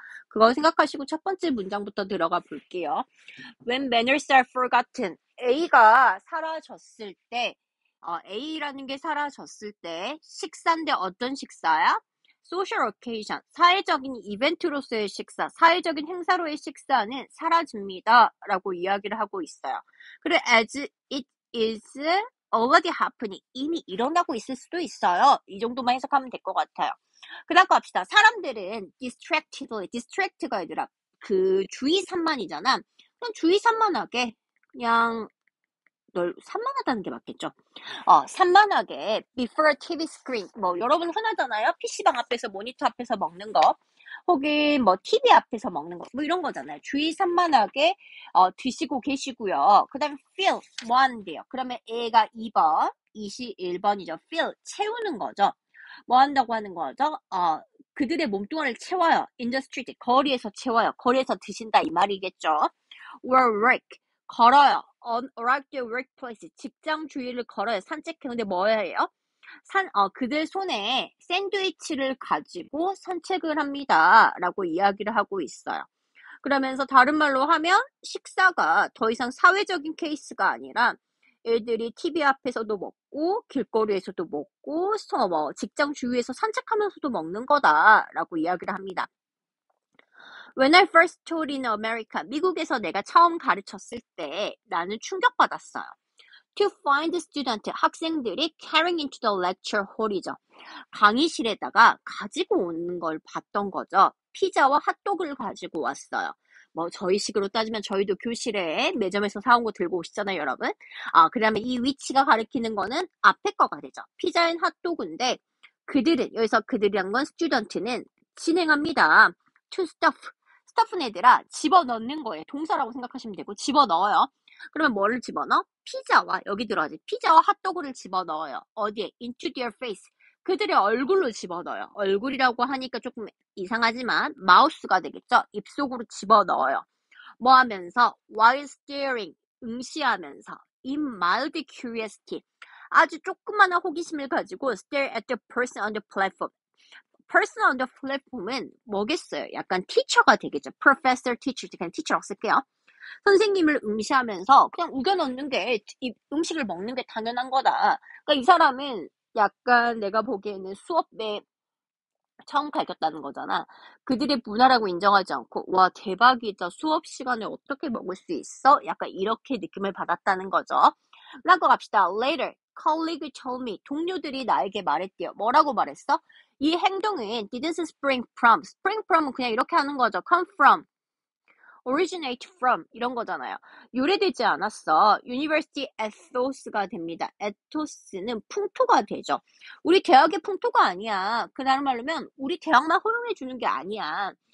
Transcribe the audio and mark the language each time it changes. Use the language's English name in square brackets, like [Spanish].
[Korean] 그거 생각하시고 첫 번째 문장부터 들어가 볼게요. [English] When manners are forgotten, [Korean] A가 사라졌을 때, A라는 게 사라졌을 때 식사인데 어떤 식사야? [English] Social occasion, [Korean] 사회적인 이벤트로서의 식사, 사회적인 행사로의 식사는 사라집니다. 라고 이야기를 하고 있어요. 그리고 [English] as it is, already happening. [Korean] 이미 일어나고 있을 수도 있어요. 이 정도만 해석하면 될 것 같아요. 그 다음 거 합시다. 사람들은 [English] distractedly, [Korean] distract가 얘들아, 주의 산만이잖아. 그냥 주의 산만하게, 그냥, 널 산만하다는 게 맞겠죠. [English] 산만하게, before a TV screen. [Korean] 뭐, 여러분 흔하잖아요. PC방 앞에서, 모니터 앞에서 먹는 거. 혹은 뭐 TV 앞에서 먹는 거, 뭐 이런 거잖아요. 주의 산만하게 드시고 계시고요. 그 다음 [English] fill, [Korean] 뭐 한대요? 그러면 A가 2번, 21번이죠. [English] fill, [Korean] 채우는 거죠. 뭐 한다고 하는 거죠? 그들의 몸뚱아리를 채워요. [English] in the street, 거리에서 채워요. [Korean] 거리에서 드신다 이 말이겠죠. [English] or work, 걸어요. on arrive the workplace, 직장 주위를 걸어요. [Korean] 산책했는데 뭐 해요? 그들 손에 샌드위치를 가지고 산책을 합니다 라고 이야기를 하고 있어요. 그러면서 다른 말로 하면 식사가 더 이상 사회적인 케이스가 아니라 애들이 TV 앞에서도 먹고 길거리에서도 먹고 직장 주위에서 산책하면서도 먹는 거다 라고 이야기를 합니다. [English] When I first taught in America, [Korean] 미국에서 내가 처음 가르쳤을 때 나는 충격받았어요. [English] To find student, [Korean] 학생들이 [English] carrying into the lecture hall이죠. [Korean] 강의실에다가 가지고 오는 걸 봤던 거죠. 피자와 핫도그를 가지고 왔어요. 뭐 저희 식으로 따지면 저희도 교실에 매점에서 사온 거 들고 오시잖아요, 여러분. 그 다음에 이 위치가 가리키는 거는 앞에 거가 되죠. 피자인 핫도그인데 그들은, 여기서 그들이란 건 [English] student [Korean] 는 진행합니다. [English] To stuff. stuff [Korean] 는 얘들아, 집어넣는 거예요. 동사라고 생각하시면 되고 집어넣어요. 그러면 뭐를 집어넣어? 피자와, 여기 들어가지. 피자와 핫도그를 집어넣어요. 어디에? [English] Into their face. [Korean] 그들의 얼굴로 집어넣어요. 얼굴이라고 하니까 조금 이상하지만 마우스가 되겠죠? 입속으로 집어넣어요. 뭐 하면서? [English] While staring, [Korean] 응시하면서. [English] In mild curiosity, [Korean] 아주 조그마한 호기심을 가지고 [English] stare at the person on the platform. Person on the platform은 뭐겠어요? [Korean] 약간 teacher가 되겠죠? Professor, teacher, 그냥 teacher라고 쓸게요. 선생님을 응시하면서 그냥 우겨넣는 게, 음식을 먹는 게 당연한 거다. 그러니까 이 사람은 약간 내가 보기에는 수업에 처음 가겼다는 거잖아. 그들의 문화라고 인정하지 않고 와 대박이다, 수업 시간에 어떻게 먹을 수 있어? 약간 이렇게 느낌을 받았다는 거죠. 나고 갑시다. [English] Later, colleague told me. [Korean] 동료들이 나에게 말했대요. 뭐라고 말했어? 이 행동은 [English] didn't spring from. [Korean] spring from은 그냥 이렇게 하는 거죠. [English] come from. originate from. 이런 거잖아요. [Korean] 유래되지 않았어. [English] university ethos [Korean] 가 됩니다. ethos는 풍토가 되죠. 우리 대학의 풍토가 아니야. 그 다른 말로면 우리 대학만 허용해 주는 게 아니야.